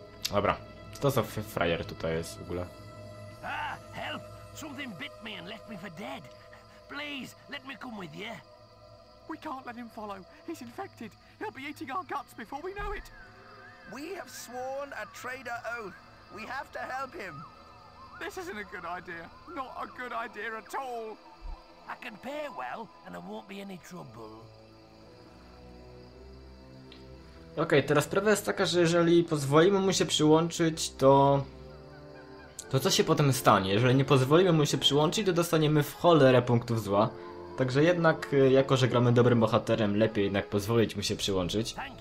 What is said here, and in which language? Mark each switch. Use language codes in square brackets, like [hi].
[pl] Dobra, to co frajer tutaj jest w ogóle? [en] Ah, help! Something bit me and left me for dead. Please, let me come with you. We can't let him follow. He's infected. He'll be eating our guts before we know it. We have sworn a traitor oath. We have to help him. This isn't a good idea. Not a good idea at all. I can pay well and there won't be any trouble. [pl] Okej, teraz sprawa jest taka, że jeżeli pozwolimy mu się przyłączyć, to... To co się potem stanie? Jeżeli nie pozwolimy mu się przyłączyć, to dostaniemy w cholerę punktów zła. Także jednak, jako że gramy dobrym bohaterem, lepiej jednak pozwolić mu się przyłączyć.